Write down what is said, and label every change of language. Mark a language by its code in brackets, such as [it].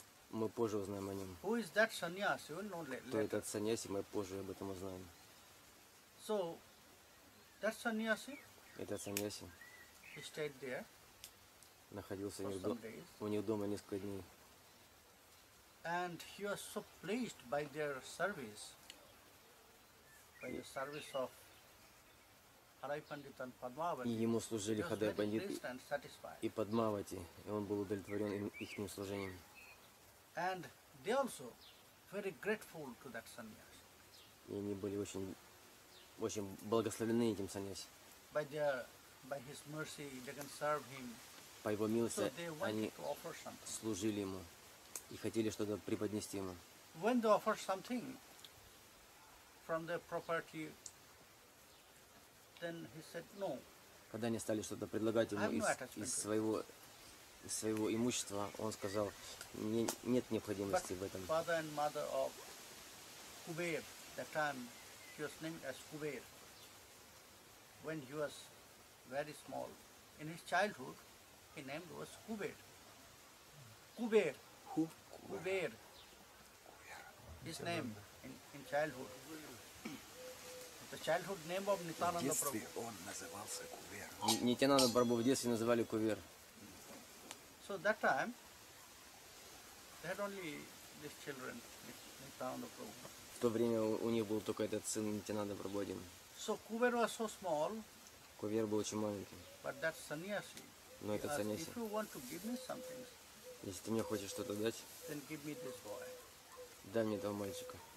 [ru] Мы позже узнаем о нем. [en] Who is that sannyasi? We'll know later. [ru] Кто этот саньяси, мы позже об этом узнаем. [en] So, that sannyasi? [ru] Этот саньяси. [en] He stayed there. [ru] Находился у них дома несколько дней. [en] And he was so pleased by their service. By the service of Harai Pandit and Padmavati. [ru] И ему служили Хадай Пандит и Падмавати. И он был удовлетворен их служением. [en] And they also very grateful to that sannyasi. [ru] И они были очень благословлены этим сannyasi. [en] By their, by his mercy, they can serve him. [ru] По его милости [en] so they [ru] они [en] to offer something. [ru] Служили ему и хотели что-то преподнести ему. [en] When they offer something from their property, then he said no. [ru] Когда они стали что-то предлагать ему из своего своего имущества, он сказал, нет необходимости [en] but [ru] в этом. [en] Father and mother of Kuber, that time he was named as Kuber, when he was very small, in his childhood, his name was Kuber. Kuber. Who? Kuber. His name in childhood. The childhood name of Nityānanda Prabhu. [ru] В детстве он назывался Кубер. Нитянанда Прабху в детстве называли Кубер. [en] So that time, they had only these children, Nityānanda Prabhu. [ru] В то время у них был только этот сын Нитянанда Прабху один. [en] So Kuber was so small. [ru] Кувер был очень маленьким. [en] But that sannyasi. [ru] Но этот саньяси. [en] If you want to give me something. [ru] Если ты мне хочешь что-то дать. [en] Then give me this boy. [ru] Дай мне этого мальчика.